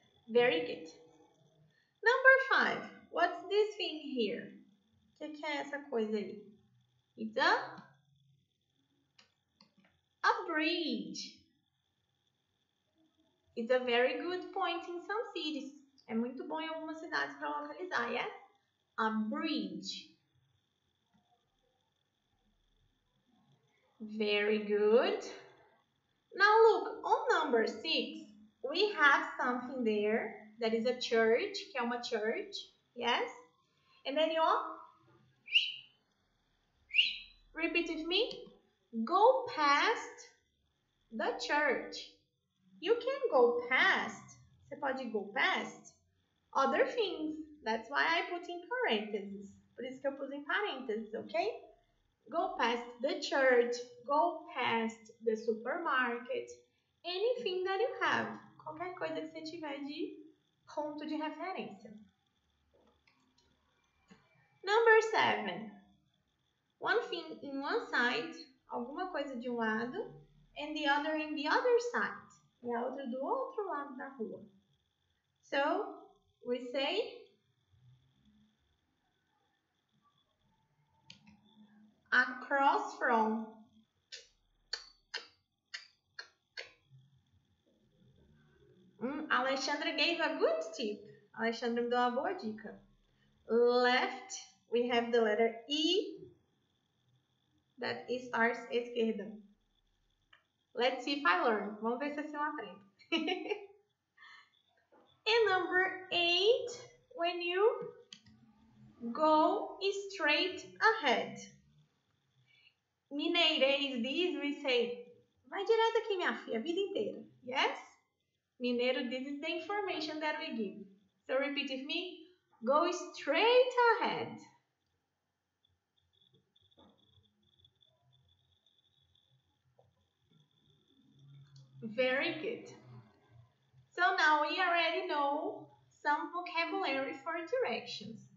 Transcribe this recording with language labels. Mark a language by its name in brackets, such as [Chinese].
[English] Very good. Number five. What's this thing here? [Portuguese] Que é essa coisa aí? [English] It's a bridge. It's a very good point in some cities. [Portuguese] É muito bom em algumas cidades para localizar, yes? A bridge. [English] Very good. Now look, on number 6, we have something there that is a church, [Portuguese] que é uma church, [English] yes? And then you all, repeat with me, go past the church. You can go past, [Portuguese] você pode [English] go past other things. That's why I put in parentheses. [Portuguese] Por isso que eu pus em parentheses, ok? [English] Go past the church, go past the supermarket, anything that you have. [Portuguese] Qualquer coisa que você tiver de ponto de referência. [English] Number 7. One thing in one side, [Portuguese] alguma coisa de um lado, [English] and the other in the other side. [Portuguese] E a outra do outro lado da rua. [English] So, we say... Across from. [Portuguese] Alexandra [English] gave a good tip. [Portuguese] Alexandra me deu uma boa dica. [English] Left, we have the letter E that starts esquerda. Let's see if I learn. [Portuguese] Vamos ver se eu aprendo. [English] And number 8, when you go straight ahead. [Portuguese] Mineirês diz, [English] we say, [Portuguese] vai direto aqui, minha filha, a vida inteira. [English] Yes? Mineiro, this is the information that we give. So repeat with me. Go straight ahead. Very good. So now we already know some vocabulary for directions.